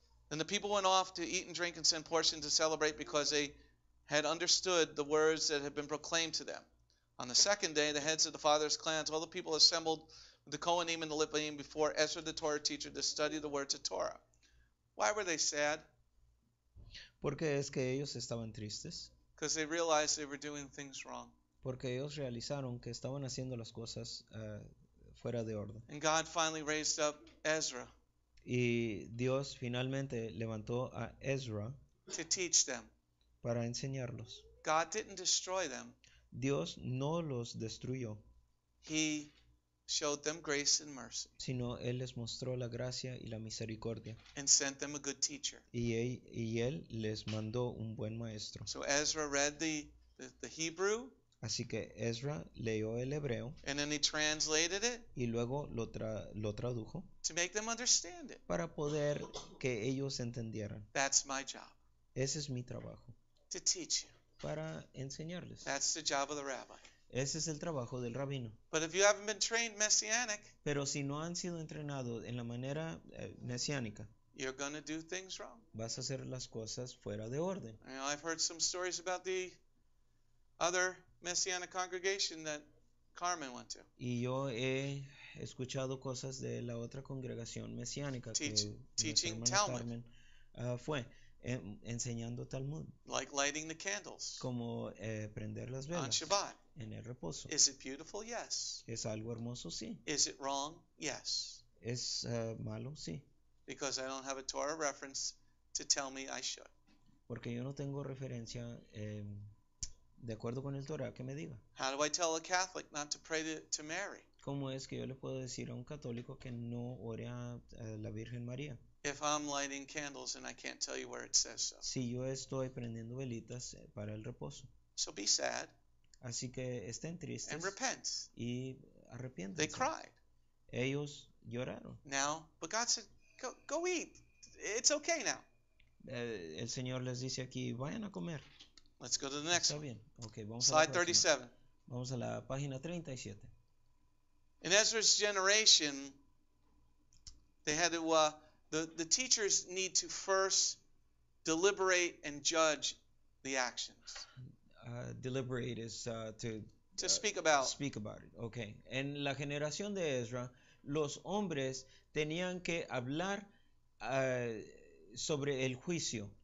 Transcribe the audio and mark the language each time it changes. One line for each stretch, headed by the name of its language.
English: Then the people went off to eat and drink and send portions to celebrate, because they had understood the words that had been proclaimed to them. On the second day, the heads of the fathers' clans, all the people assembled, the Kohanim and the Levim, before Ezra the Torah teacher, to study the words of Torah. Why were they sad?
Spanish: Porque es que ellos estaban tristes.
English: Because they realized they were doing things wrong.
Spanish: Porque ellos realizaron que estaban haciendo las cosas fuera de orden.
English: And God finally raised up Ezra.
Spanish: Y Dios finalmente levantó a Ezra.
English: To teach them.
Spanish: Para enseñarlos.
English: God didn't destroy them.
Spanish: Dios no los destruyó.
English: He showed them grace and mercy.
Spanish: Sino él les mostró la gracia y la misericordia.
English: And sent them a good teacher.
Spanish: Y él les mandó un buen maestro.
English: So Ezra read the Hebrew.
Spanish: Así que Ezra leyó el hebreo.
English: And then he translated it.
Spanish: Y luego lo tradujo.
English: To make them understand it.
Spanish: Para poder que ellos entendieran.
English: That's my job.
Spanish: Ese es mi trabajo.
English: To teach you.
Spanish: Para enseñarles.
English: That's the job of the rabbi.
Spanish: Ese es el trabajo del rabino.
English: But if you haven't been trained messianic,
Spanish: pero si no han sido entrenados en la manera mesiánica,
English: you're gonna do things wrong.
Spanish: Vas a hacer las cosas fuera de orden.
English: You know, I've heard some stories about the other messianic congregation that Carmen went to.
Spanish: Y yo he escuchado cosas de la otra congregación mesiánica
English: teaching Talmud.
Spanish: Carmen, fue. Enseñando Talmud.
English: Like lighting the candles.
Spanish: Como prender las velas.
English: On Shabbat.
Spanish: En el reposo.
English: Is it beautiful? Yes.
Spanish: ¿Es algo hermoso? Sí.
English: Is it wrong? Yes.
Spanish: ¿Es malo? Sí.
English: Because I don't have a Torah reference to tell me I should.
Spanish: Porque yo no tengo referencia de acuerdo con el Torah que me diga.
English: How do I tell a Catholic not to pray to Mary?
Spanish: ¿Cómo es que yo le puedo decir a un católico que no ore a la Virgen María?
English: If I'm lighting candles and I can't tell you where it says so.
Spanish: Si yo estoy prendiendo velitas para el reposo.
English: So be sad.
Spanish: Así que estén tristes.
English: And repent.
Spanish: Y arrepiéntanse.
English: They cried.
Spanish: Ellos lloraron.
English: Now, but God said, go eat. It's okay now.
Spanish: El Señor les dice aquí, vayan a comer.
English: Let's go to the next
Spanish: one. Está bien. Okay, vamos
English: slide 37.
Spanish: Vamos a la página 37.
English: In Ezra's generation, they had to... The teachers need to first deliberate and judge the actions. Deliberate is to speak about. Speak about it. Okay.
Spanish: En la generación de Ezra, los hombres tenían que hablar sobre el juicio.